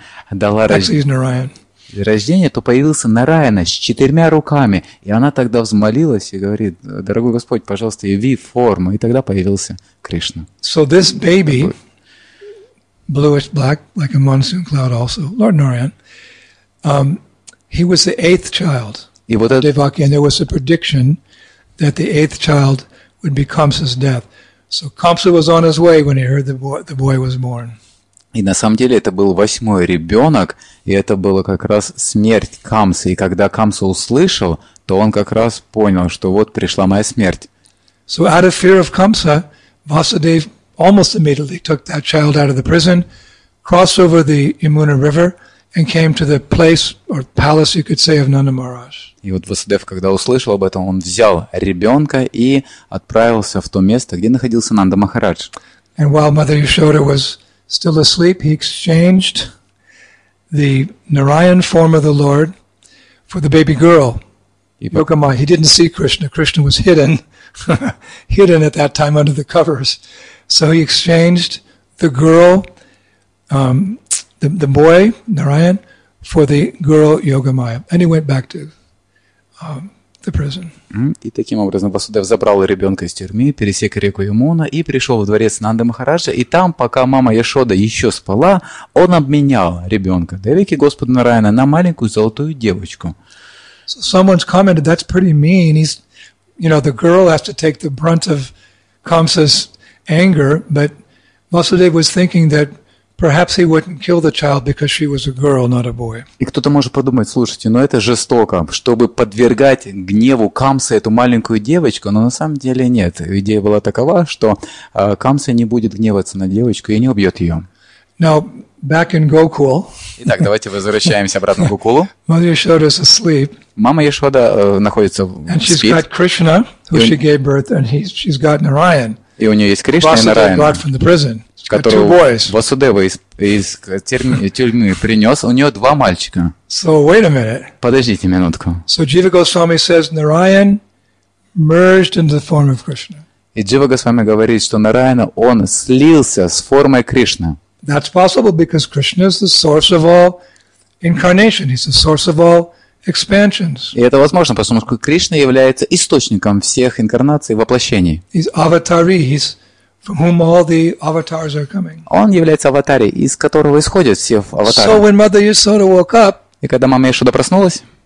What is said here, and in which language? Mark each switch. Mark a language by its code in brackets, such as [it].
[ru] Дала рождение, то появился Нараяна с четырьмя руками. И она тогда взмолилась и говорит, дорогой Господь, пожалуйста, яви форму. И тогда появился Кришна. [en] So this baby, bluish black, like a monsoon cloud also, Lord Narayan, he was the eighth child of Devaki, and there was a prediction that the eighth child would be Kamsa's death. So Kamsa was on his way when he heard the boy was born. [ru] И на самом деле это был восьмой ребенок, и это было как раз смерть Камсы. И когда Камса услышал, то он как раз понял, что вот пришла моя смерть. [en] So out of fear of Kamsa, Vasudev almost immediately took that child out of the prison, crossed over the Yamuna River, and came to the place or palace, you could say, of Nanda Maharaj. [ru] И вот Васудев, когда услышал об этом, он взял ребенка и отправился в то место, где находился Нанда Махарадж. [en] And while Mother Yashoda was still asleep, he exchanged the Narayan form of the Lord for the baby girl, Yogamaya. He didn't see Krishna. Krishna was hidden, hidden at that time under the covers. So he exchanged the girl, the boy, Narayan, for the girl, Yogamaya. And he went back to the prison. [ru] И таким образом Васудев забрал ребенка из тюрьмы, пересек реку Ямуна и пришел в дворец Нанды Махараджа. И там, пока мама Яшода еще спала, он обменял ребенка Девики Господа Нараяна на маленькую золотую девочку. [en] So someone's commented, that's pretty mean. He's, you know, the girl has to take the brunt of Kamsa's anger, but Vasudev was thinking that perhaps he wouldn't kill the child because she was a girl, not a boy. [ru] И кто-то может подумать, слушайте, но это жестоко, чтобы подвергать гневу Камсы эту маленькую девочку, но на самом деле нет. Идея была такова, что Камса не будет гневаться на девочку и не убьет ее. [en] Now, back in Gokul. [ru] Итак, давайте возвращаемся обратно в Гокулу. [en] Mother Yashoda is asleep. [ru] Мама Яшода находится в спит. [en] And she's got Krishna, who she gave birth, and she's got Narayan. [ru] И у нее есть Кришна и Нараяна. [en] Brought from the prison. [ru] Которого Васудева из тюрьмы принес, у нее два мальчика. [en] So wait a minute. [ru] Подождите минутку. [en] So Jiva Goswami says Narayan merged into the form of Krishna. [ru] И Джива Госвами говорит, что Нараяна он слился с формой Кришны. [en] That's possible because Krishna is the source of all incarnation. He's the source of all expansions. [ru] И это возможно, потому что Кришна является источником всех инкарнаций и воплощений. [en] He's avatari. He's from whom all the avatars are coming. [ru] Он является аватари, из которого исходят все аватары. [en] So when Mother Yashoda woke up, [ru] и когда мама Яшода проснулась,